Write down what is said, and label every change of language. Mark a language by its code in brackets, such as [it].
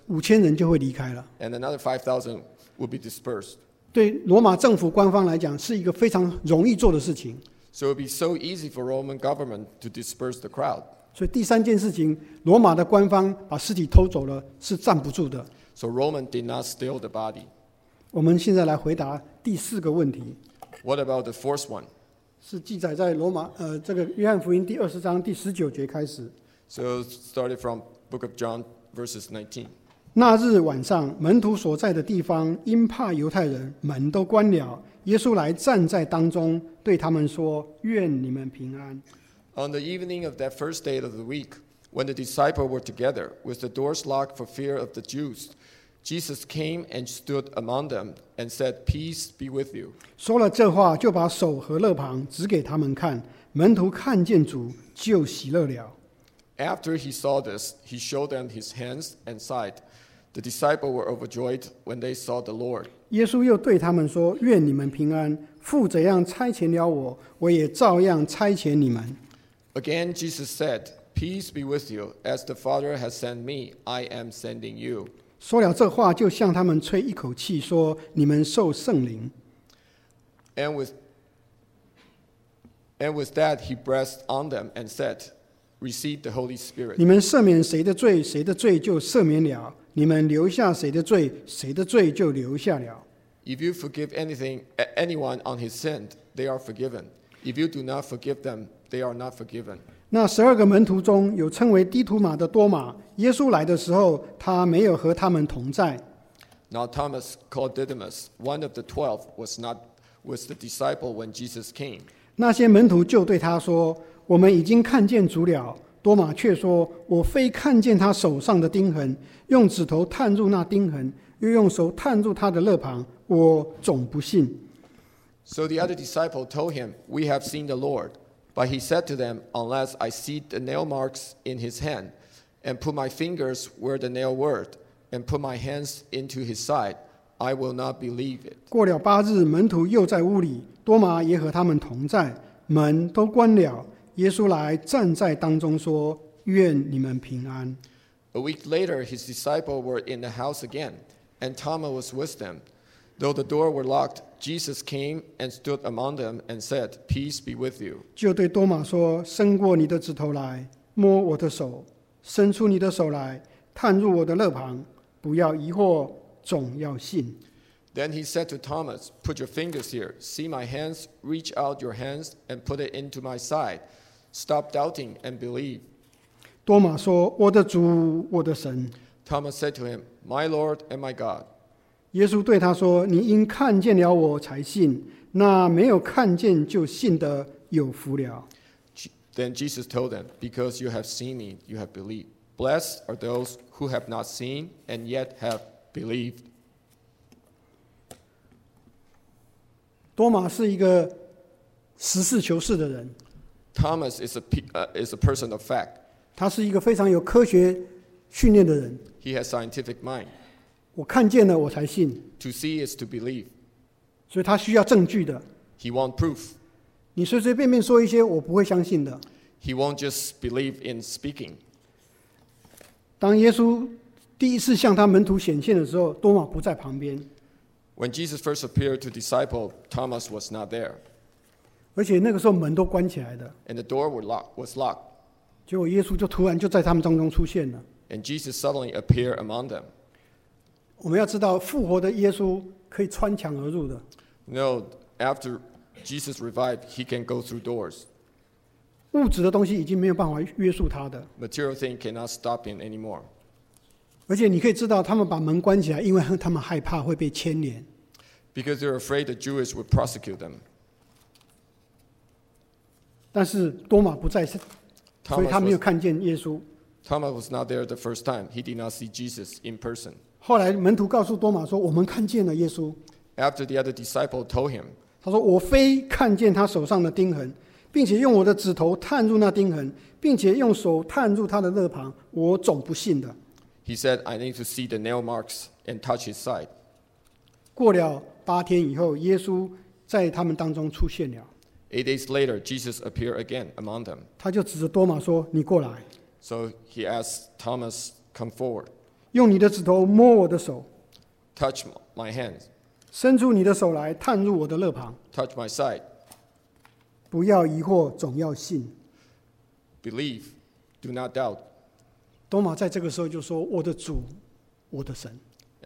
[zh] 5000人就会离开了 [en] ，and another 5,000 will be dispersed. [zh] 对罗马政府官方来讲，是一个非常容易做的事情。 [en] So it'll be so easy for Roman government to disperse the crowd. [zh] 所以第三件事情，罗马的官方把尸体偷走了，是站不住的。 [en] So Roman did not steal the body. [zh] 我们现在来回答第四个问题。 [en] What about the fourth one? [zh] 是记载在罗马这个约翰福音第20章第19节开始。 [en] So started from Book of John, verses 19. [zh] 那日晚上，门徒所在的地方因怕犹太人，门都关了。耶稣来站在当中，对他们说：“愿你们平安。” [en] On the evening of that first day of the week, when the disciples were together with the doors locked for fear of the Jews, Jesus came and stood among them and said, "Peace be with you." [zh] 说了这话，就把手和肋旁指给他们看。门徒看见主，就喜乐了。 [en] After he saw this, he showed them his hands and side. The disciples were overjoyed when they saw the Lord. [zh] 耶稣又对他们说：“愿你们平安。父怎样差遣了我，我也照样差遣你们。” [en] Again, Jesus said, "Peace be with you. As the Father has sent me, I am sending you." [zh] 说了这话，就向他们吹一口气，说：“你们受圣灵。” [en] And with that, he breathed on them and said. Receive the Holy Spirit. [zh] 你们赦免谁的罪，谁的罪就赦免了；你们留下谁的罪，谁的罪就留下了。 [en] If you forgive anyone on his sin, they are forgiven. If you do not forgive them, they are not forgiven. [zh] 那十二个门徒中有称为低图马的多马，耶稣来的时候，他没有和他们同在。 [en] Now Thomas called Didymus, one of the 12, was not with the disciple when Jesus came. [zh] 那些门徒就对他说。我们已经看见主了，多马却说：“我非看见他手上的钉痕，用指头探入那钉痕，又用手探入他的肋旁，我总不信。” [en] So the other disciple told him, "We have seen the Lord." But he said to them, "Unless I see the nail marks in his hand, and put my fingers where the nail were, and put my hands into his side, I will not believe it." [zh] 过了八日，门徒又在屋里，多马也和他们同在，门都关了。耶稣来站在当中说：“愿你们平安。” [en] A week later, his disciples were in the house again, and Thomas was with them. Though the door were locked, Jesus came and stood among them and said, "Peace be with you." [zh] 就对多马说：“伸过你的指头来，摸我的手；伸出你的手来，探入我的肋旁。不要疑惑，总要信。” [en] Then he said to Thomas, "Put your fingers here. See my hands. Reach out your hands and put it into my side. Stop doubting and believe." [zh] 多马说：“我的主，我的神。” [en] Thomas said to him, My Lord and my God. [zh] 耶稣对他说，你因看见了我才信，那没有看见就信的有福了。 [en] Then Jesus told them, Because you have seen me, you have believed. Blessed are those who have not seen and yet have believed. [zh] 多马是一个实事求是的人。 [en] Thomas is a person of fact. [zh] 他是一个非常有科学训练的人。 [en] He has scientific mind. [zh] 我看见了我才信。 [en] To see is to believe. [zh] 所以他需要证据的。 [en] He want proof. [zh] 你随随便便说一些我不会相信的。 [en] He won't just believe in speaking. [zh] 当耶稣第一次向他门徒显现的时候，多马不在旁边。 [en] When Jesus first appeared to disciples, Thomas was not there. [zh] 而且那个时候门都关起来的。 [en] And the door was locked. [zh] 结果耶稣就突然就在他们当中出现了。 [en] And Jesus suddenly appeared among them. [zh] 我们要知道复活的耶稣可以穿墙而入的。 [en] No, after... Jesus revived, he can go through doors. [zh] 物质的东西已经没有办法约束他的。 [en] Material thing cannot stop him anymore. [zh] 而且你可以知道，他们把门关起来，因为他们害怕会被牵连。 [en] Because they're afraid the Jews would prosecute them. [zh] 但是多马不在，所以他没有看见耶稣。 [en] Thomas was not there the first time. He did not see Jesus in person. [zh] 后来门徒告诉多马说：“我们看见了耶稣。” [en] After the other disciple told him. [zh] 他说：“我非看见他手上的钉痕，并且用我的指头探入那钉痕，并且用手探入他的肋旁，我总不信的。” [en] He said, "I need to see the nail marks and touch his side." [zh] 过了八天以后，耶稣在他们当中出现了。 [en] 8 days later, Jesus appeared again among them. [zh] 他就指着多马说：“你过来。” [en] So he asked Thomas, "Come forward." [zh] 用你的指头摸我的手。 [en] Touch my hands. [zh] 伸出你的手来，探入我的肋旁。 [en] Touch my side. [zh] 不要疑惑，总要信。 [en] Believe, do not doubt. [zh] 多马在这个时候就说：“我的主，我的神。”